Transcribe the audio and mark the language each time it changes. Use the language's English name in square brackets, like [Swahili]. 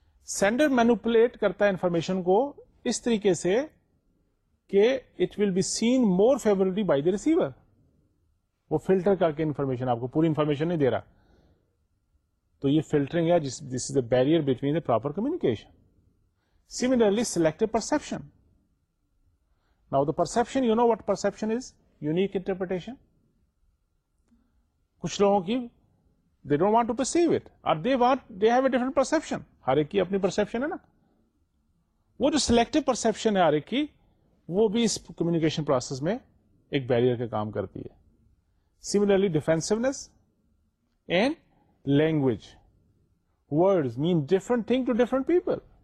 [English] sender manipulate [Urdu] کرتا ہے information کو اس طریقے سے کہ [English] It will be seen more favourably by the receiver. [Urdu] وہ فلٹر کر کے انفارمیشن, آپ کو پوری انفارمیشن نہیں دے رہا, تو یہ فلٹرنگ ہے. [English] This is the barrier between the proper communication. Similarly selected perception. Now the perception, you know what perception is? Unique interpretation. [Urdu] کچھ لوگوں کی [English] they don't want to perceive it, or they want, they have a different perception. [Urdu] ہر ایک کی اپنی perception ہے نا. وہ جو سلیکٹو پرسپشن ہے ہر ایک کی, وہ بھی اس کمیونیکیشن پروسیس میں ایک بیریئر کا کام کرتی ہے. [English] Similarly defensiveness and language. Words mean different thing to different people.